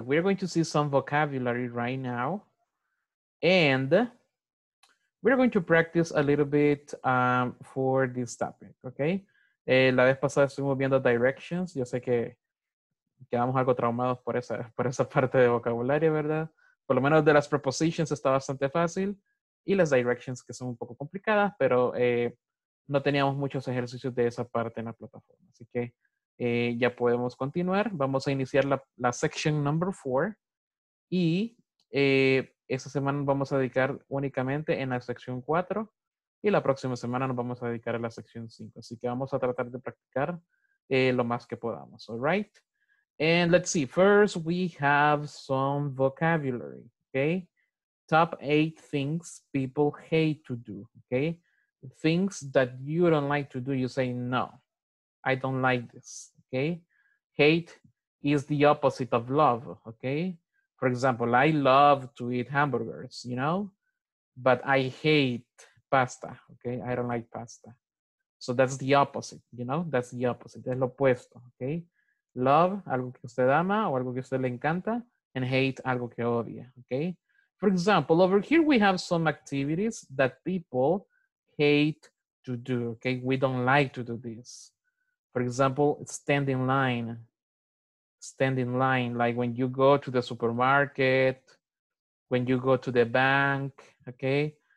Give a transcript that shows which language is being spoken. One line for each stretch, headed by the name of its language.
English: We're going to see some vocabulary right now. And we're going to practice a little bit for this topic.
Spanish: Okay. La vez pasada estuvimos viendo directions. Yo sé que quedamos algo traumados por esa parte de vocabulario, ¿verdad? Por lo menos de las prepositions está bastante fácil y las directions que son un poco complicadas, pero no teníamos muchos ejercicios de esa parte en la plataforma. Así que ya podemos continuar. Vamos a iniciar la section number 4 y esta semana nos vamos a dedicar únicamente en la sección 4 y la próxima semana nos vamos a dedicar a la sección 5. Así que vamos a tratar de practicar lo más que podamos.
English: All right. And let's see, first we have some vocabulary, okay? Top 8 things people hate to do, okay? Things that you don't like to do, you say, no, I don't like this, okay? Hate is the opposite of love, okay? For example, I love to eat hamburgers, you know? But I hate pasta, okay? I don't like pasta. So that's the opposite, you know? That's the opposite,
Spanish: es lo opuesto,
English: okay?
Spanish: Love, algo que usted ama o algo que usted le encanta. And hate, algo que odia, okay?
English: For example, over here we have some activities that people hate to do, okay? We don't like to do this. For example, stand in line. Stand in line, like when you go to the supermarket, when you go to the bank, okay?